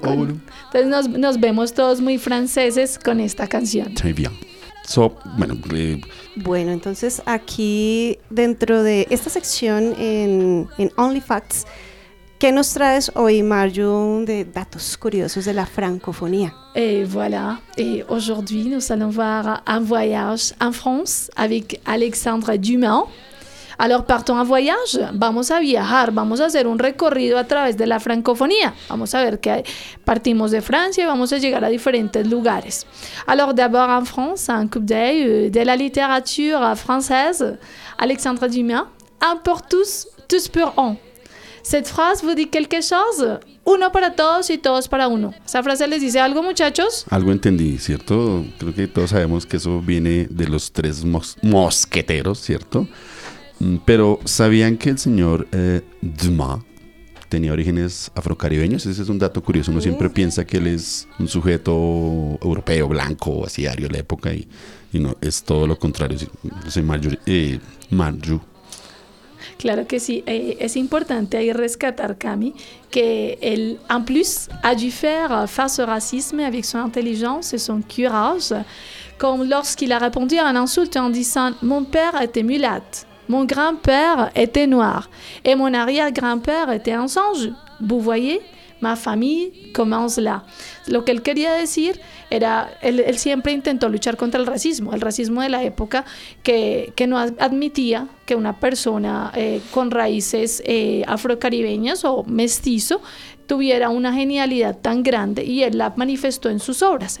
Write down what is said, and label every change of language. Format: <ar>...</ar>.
<es>Beret, oh, entonces nos vemos todos muy franceses con esta canción. Muy bien. So, bueno, bueno, entonces aquí dentro de esta sección en Only Facts, ¿qué nos traes hoy, Marju, de datos curiosos de la francofonía?</es> <fr>Voilà. Et aujourd'hui, nous allons voir un voyage en France avec Alexandre Dumas. Alors, partons en voyage.</fr> <es>Vamos a viajar. Vamos a hacer un recorrido a través de la francofonía. Vamos a ver que partimos de Francia y vamos a llegar a diferentes lugares.</es> <fr>Alors, d'abord en France, un coup d'œil de la littérature française. Alexandre Dumas, un pour tous, tous pour un. Cette phrase vous dit quelque chose?</fr> <es>Uno para todos y todos para uno. ¿Esa frase les dice algo, muchachos? Algo entendí, ¿cierto? Creo que todos sabemos que eso viene de los tres mosqueteros, ¿cierto? Pero, ¿sabían que el señor Dumas tenía orígenes afrocaribeños? Ese es un dato curioso. Uno siempre piensa que él es un sujeto europeo, blanco, así, ario de la época. Y no, es todo lo contrario. Sí, Marju. Claro que sí, es importante ahí rescatar, Cami, que él,</es> <fr>en plus, a dû faire face au racisme avec son intelligence et son courage, comme lorsqu'il a répondu à une insulte en disant « Mon père était mulâtre, mon grand-père était noir et mon arrière-grand-père était un singe. » Vous voyez, ma famille commence là.</fr> <es>Lo que él quería decir era, él siempre intentó luchar contra el racismo de la época que no admitía que una persona con raíces afrocaribeñas o mestizo tuviera una genialidad tan grande, y él la manifestó en sus obras.</es>